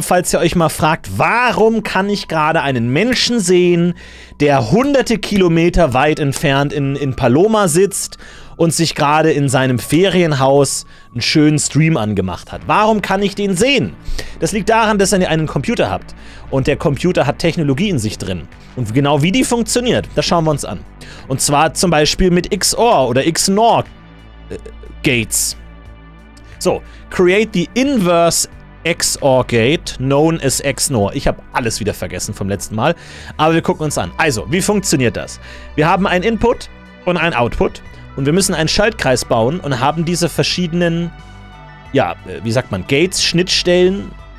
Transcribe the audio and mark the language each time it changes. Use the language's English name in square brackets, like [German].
[German] Falls ihr euch mal fragt, warum kann ich gerade einen Menschen sehen, der hunderte Kilometer weit entfernt in Paloma sitzt und sich gerade in seinem Ferienhaus einen schönen Stream angemacht hat. Warum kann ich den sehen? Das liegt daran, dass ihr einen Computer habt. Und der Computer hat Technologie in sich drin. Und genau wie die funktioniert, das schauen wir uns an. Und zwar zum Beispiel mit XOR oder XNOR Gates. [English] So, create the inverse XOR Gate, known as XNOR. [German] Ich habe alles wieder vergessen vom letzten Mal. Aber wir gucken uns an. Also, wie funktioniert das? Wir haben ein Input und ein Output. Und wir müssen einen Schaltkreis bauen und haben diese verschiedenen, ja, wie sagt man, Gates, Schnittstellen.